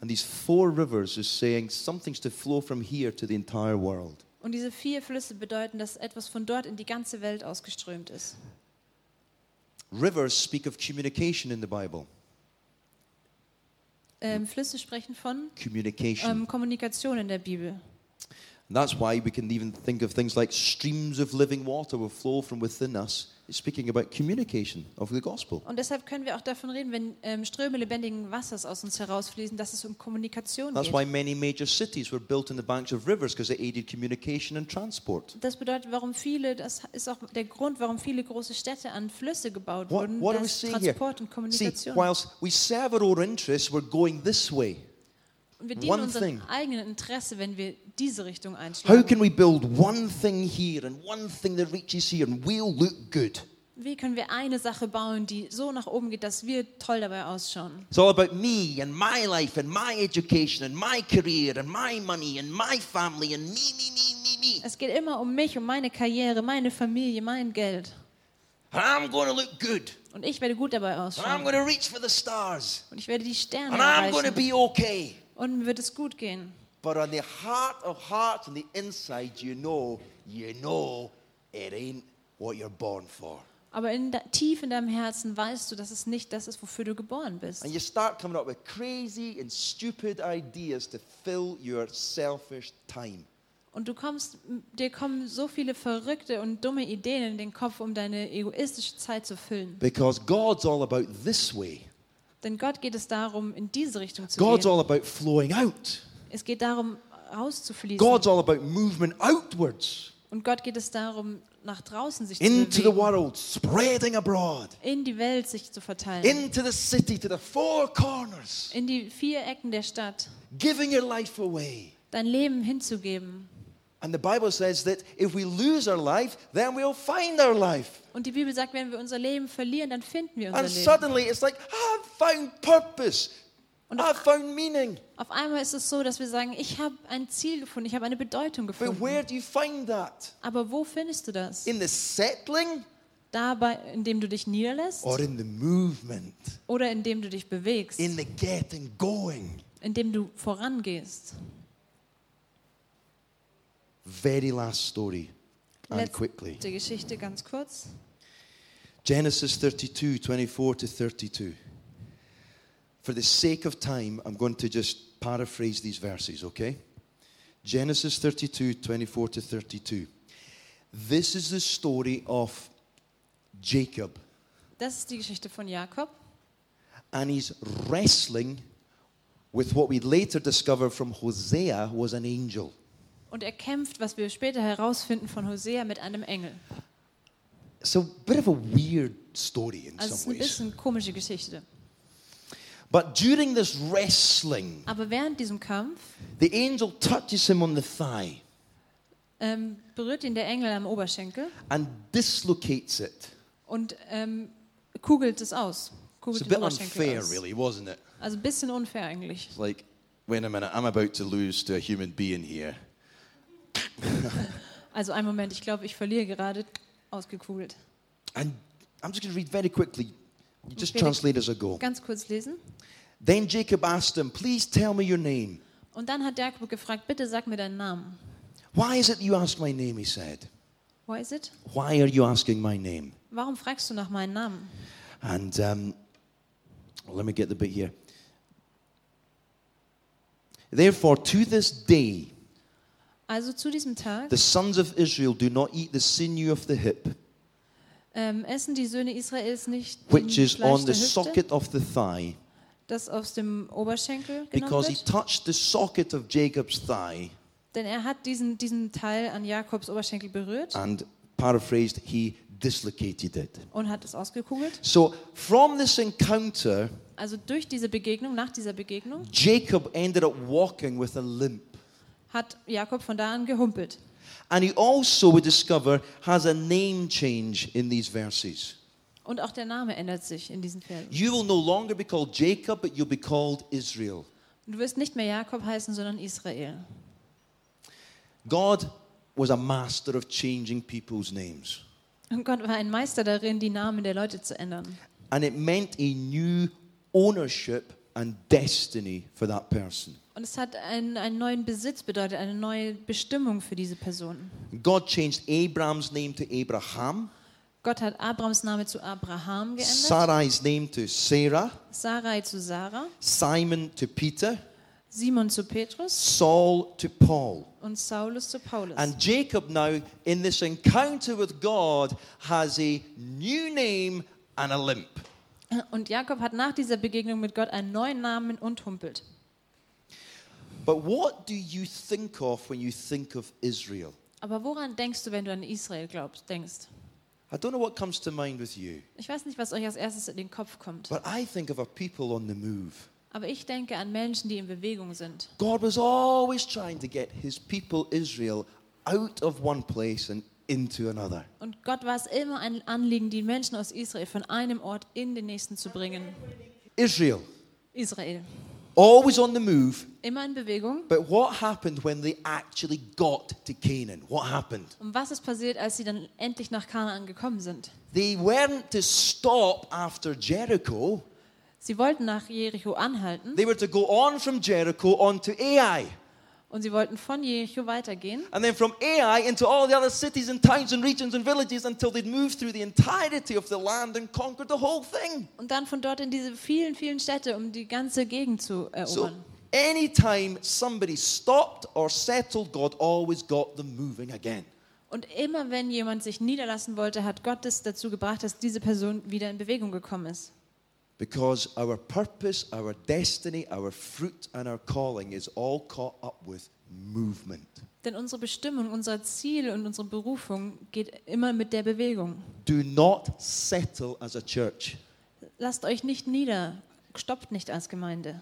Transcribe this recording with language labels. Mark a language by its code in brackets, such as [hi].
[en] And these 4 rivers is saying something's to flow from here to the entire world. [de] Und diese 4 Flüsse bedeuten, dass etwas von dort in die ganze Welt ausgeströmt ist. [en] Rivers speak of communication in the Bible. [de] Flüsse sprechen von [en] Communication. [de] Kommunikation in der Bibel. [en] And that's why we can even think of things like streams of living water will flow from within us. It's speaking about communication of the gospel. [de] Und deshalb können wir auch davon reden, wenn Ströme lebendigen Wassers aus uns herausfließen, dass es Kommunikation [en] That's [de] geht. [en] Why many major cities were built in the banks of rivers because they aided communication and transport. [de] Das bedeutet, warum viele, das ist auch der Grund, warum viele große Städte an Flüsse gebaut wurden, [en] what [de] dass Transport [en] here? [de] Und Kommunikation. [en] See, whilst we serve our own interests, we're going this way. [de] Und wir dienen unserem eigenen Interesse, wenn wir diese Richtung einschlagen. [en] How can we build one thing here and one thing that reaches here and we'll look good? [de] Wie können wir eine Sache bauen, die so nach oben geht, dass wir toll dabei ausschauen? [en] It's all about me and my life and my education and my career and my money and my family and me. [de] Es geht immer um mich, um meine Karriere, meine Familie, mein Geld. [en] I'm going to look good. [de] Und ich werde gut dabei ausschauen. [en] I'm going to reach for the stars. [de] Und ich werde die Sterne [en] and [de] erreichen. [en] I'm going to be okay. [de] Und wird es gut gehen. [en] But on the heart of hearts, on the inside, you know, it ain't what you're born for. [de] Aber tief in deinem Herzen weißt du, dass es nicht das ist, wofür du geboren bist. [en] And you start coming up with crazy and stupid ideas to fill your selfish time. [de] Und du kommst, dir kommen so viele verrückte und dumme Ideen in den Kopf, um deine egoistische Zeit zu füllen. [en] Because God's all about this way. [de] Denn Gott geht es darum, in diese Richtung zu [en] God's [de] gehen. [en] God's all about flowing out. [de] Es geht darum, rauszufließen. [en] God's all about movement outwards. [de] Und Gott geht es darum, nach draußen sich [en] into [de] zu bewegen. [en] The world, spreading abroad. [de] In die Welt sich zu verteilen. [en] Into the city, to the four corners. [de] In die vier Ecken der Stadt. [en] Giving your life away. [de] Dein Leben hinzugeben. [en] And the Bible says that if we lose our life, then we'll find our life. [de] Und die Bibel sagt, wenn wir unser Leben verlieren, dann finden wir unser [en] and [de] Leben. [en] And suddenly it's like, I've found purpose. [de] Und [en] I've found meaning. [de] Auf einmal ist es so, dass wir sagen, ich habe ein Ziel gefunden, ich habe eine Bedeutung gefunden. [en] But where do you find that? [de] Aber wo findest du das? [en] In the settling? [de] Dabei, indem du dich niederlässt? [en] Or in the movement? [de] Oder indem du dich bewegst? [en] In the getting going? [de] Indem du vorangehst? [en] Very last story. And [de] letzte [en] quickly. [de] Geschichte ganz kurz. [en] Genesis 32, 24 to 32. For the sake of time, I'm going to just paraphrase these verses, okay? Genesis 32, 24 to 32. This is the story of Jacob. [de] Das ist die Geschichte von Jakob. [en] And he's wrestling with what we later discover from Hosea was an angel. [de] Und er kämpft, was wir später herausfinden von Hosea, mit einem Engel. [en] So, bit of a weird story in [de] also ways. Also ein bisschen komische Geschichte. [en] But during this wrestling, [de] aber während diesem Kampf, [en] the angel touches him on the thigh. [de] Berührt ihn der Engel am Oberschenkel. [en] And dislocates it. [de] Und kugelt es aus. Kugelt [en] it's a bit unfair, really, wasn't it? [de] Also ein bisschen unfair eigentlich. [en] It's like, wait a minute, I'm about to lose to a human being here. [de] Also einen Moment, ich glaube, ich verliere gerade ausgekugelt. [en] And I'm just going to read very quickly. You just translate as I go. [de] Ganz kurz lesen. [en] Then Jacob asked him, please tell me your name. [de] Und dann hat Jakob gefragt, bitte sag mir deinen Namen. [en] Why is it you ask my name, he said. Why is it? Why are you asking my name? [de] Warum fragst du nach meinem Namen? [en] And let me get the bit here. Therefore, to this day, [de] also zu diesem Tag, [en] the sons of Israel do not eat the sinew of the hip, [de] essen die Söhne Israels nicht [en] which is [de] Fleisch [en] on the [de] Hüfte, [en] socket of the thigh, [de] das aus dem Oberschenkel genommen [en] because [de] wird. [en] He touched the socket of Jacob's thigh, [de] denn er hat diesen Teil an Jakobs Oberschenkel berührt, [en] and paraphrased, he dislocated it, [de] und hat es ausgekugelt. [en] So from this encounter, [de] also durch diese Begegnung, nach dieser Begegnung, [en] Jacob ended up walking with a limp, [de] hat Jakob von da an gehumpelt. [en] And he also, we discover, has a name change in these verses. [de] Und auch der Name ändert sich in diesen Versen. [en] You will no longer be called Jacob, but you'll be called Israel. [de] Du wirst nicht mehr Jakob heißen, sondern Israel. [en] God was a master of changing people's names. [de] Und Gott war ein Meister darin, die Namen der Leute zu ändern. [en] And it meant a new ownership and destiny for that person. [de] Und es hat einen neuen Besitz bedeutet, eine neue Bestimmung für diese Person. [en] God changed Abraham's name to Abraham. [de] Gott hat Abrams Name zu Abraham geändert. [en] Sarai's name to Sarah. [de] Sarai zu Sarah. [en] Simon to Peter. [de] Simon zu Petrus. [en] Saul to Paul. [de] Und Saulus zu Paulus. [en] And Jacob now in this encounter with God has a new name and a limp. [de] Und Jakob hat nach dieser Begegnung mit Gott einen neuen Namen und humpelt. [en] But what do you think of when you think of Israel? [de] Aber woran denkst du, wenn du an Israel glaubst, denkst? [en] I don't know what comes to mind with you. [de] Ich weiß nicht, was euch als erstes in den Kopf kommt. [en] But I think of a people on the move. [de] Aber ich denke an Menschen, die in Bewegung sind. [en] God was always trying to get his people Israel out of one place and into another. [de] Und Gott war es immer ein Anliegen, die Menschen aus Israel von einem Ort in den nächsten zu bringen. [en] Israel. [de] Israel. [en] Always on the move. [de] Immer in Bewegung. [en] But what happened when they actually got to Canaan? What happened? [de] Und was ist passiert, als sie dann endlich nach Kanaan gekommen sind? [en] They weren't to stop after Jericho. [de] Sie wollten nach Jericho anhalten. [en] They were to go on from Jericho onto Ai. [de] Und sie wollten von Jericho weitergehen. [en] And then from Ai into all the other cities and towns and regions and villages until they'd move through the entirety of the land and conquered the whole thing. [de] Und dann von dort in diese vielen, vielen Städte, um die ganze Gegend zu erobern. [en] So anytime somebody stopped or settled, God always got them moving again. [de] Und immer wenn jemand sich niederlassen wollte, hat Gott es dazu gebracht, dass diese Person wieder in Bewegung gekommen ist. [en] Because our purpose, our destiny, our fruit and our calling is all caught up with movement. [de] Denn unsere Bestimmung, unser Ziel und unsere Berufung geht immer mit der Bewegung. [en] Do not settle as a church. [de] Lasst euch nicht nieder, stoppt nicht als Gemeinde.